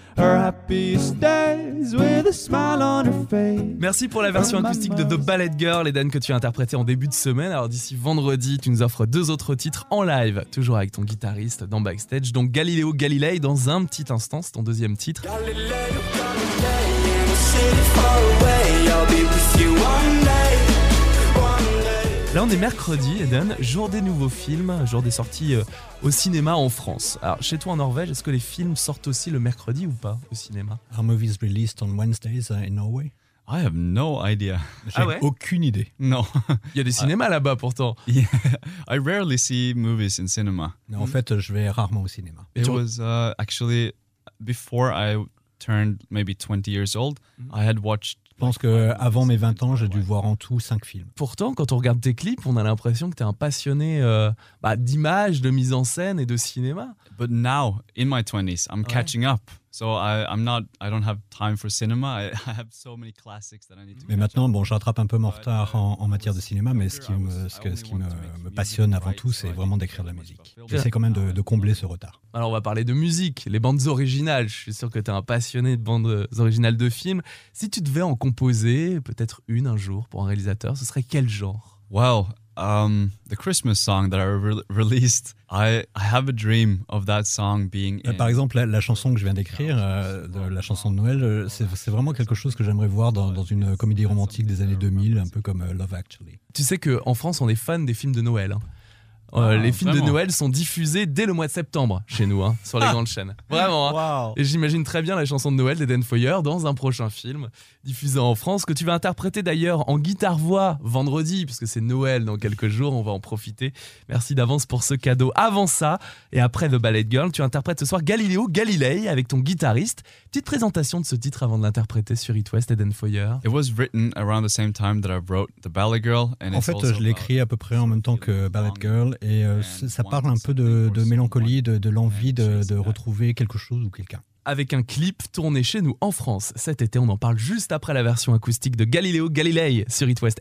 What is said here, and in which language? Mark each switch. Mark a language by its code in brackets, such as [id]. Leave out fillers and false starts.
[en] Her happiest days with a smile on her face. [fr] Merci pour la version acoustique de The Ballet Girl, Eden, que tu as interprété en début de semaine. Alors d'ici vendredi, tu nous offres deux autres titres en live, toujours avec ton guitariste dans backstage. Donc Galileo Galilei, dans un petit instant, c'est ton deuxième titre. Là, on est mercredi, Eden, jour des nouveaux films, jour des sorties au cinéma en France. Alors, chez toi en Norvège, est-ce que les films sortent aussi le mercredi ou pas au cinéma? [en] Are movies released on Wednesdays in Norway? I have no idea. [fr] J'ai aucune idée. Non. Il y a des cinémas là-bas pourtant. [en] Yeah. I rarely see movies in cinema. [fr] Non, en fait, je vais rarement au cinéma. [en] It was actually before I turned maybe 20 years old, I had watched. [fr] Je pense qu'avant mes 20 ans, j'ai dû voir en tout 5 films. Pourtant, quand on regarde tes clips, on a l'impression que tu es un passionné d'images, de mise en scène et de cinéma. [en] But now, in my 20s, I'm catching up. So I don't have time for cinema. I have so many classics that I need to. [fr] Mais maintenant, bon, je rattrape un peu mon retard en matière de cinéma, mais ce qui me passionne avant tout, c'est vraiment d'écrire de la musique. J'essaie quand même de combler ce retard. Alors, on va parler de musique, les bandes originales. Je suis sûr que tu es un passionné de bandes originales de films. Si tu devais en composer peut-être une un jour pour un réalisateur, ce serait quel genre? Wow. [en] The Christmas song that I released, I have a dream of that song being. [fr] Par exemple, la chanson que je viens d'écrire, la chanson de Noël, c'est vraiment quelque chose que j'aimerais voir dans une comédie romantique des années 2000, un peu comme Love Actually. Tu sais qu'en France, on est fan des films de Noël. Hein. Les films de Noël sont diffusés dès le mois de septembre chez nous, hein, sur les grandes chaînes. Vraiment. Hein. Wow. Et j'imagine très bien la chanson de Noël d'Eden Foyer dans un prochain film diffusé en France, que tu vas interpréter d'ailleurs en guitare-voix vendredi, puisque c'est Noël dans quelques jours, on va en profiter. Merci d'avance pour ce cadeau. Avant ça, et après The Ballet Girl, tu interprètes ce soir Galileo Galilei avec ton guitariste. Petite présentation de ce titre avant de l'interpréter sur It West, Eden Foyer. [en] It was written around the same time that I wrote The Ballet Girl. And [fr] en fait, je l'ai écrit à peu près en même temps que Ballet Girl. Et ça parle un peu de mélancolie, de l'envie de retrouver quelque chose ou quelqu'un. Avec un clip tourné chez nous en France cet été, on en parle juste après la version acoustique de Galileo Galilei sur It West.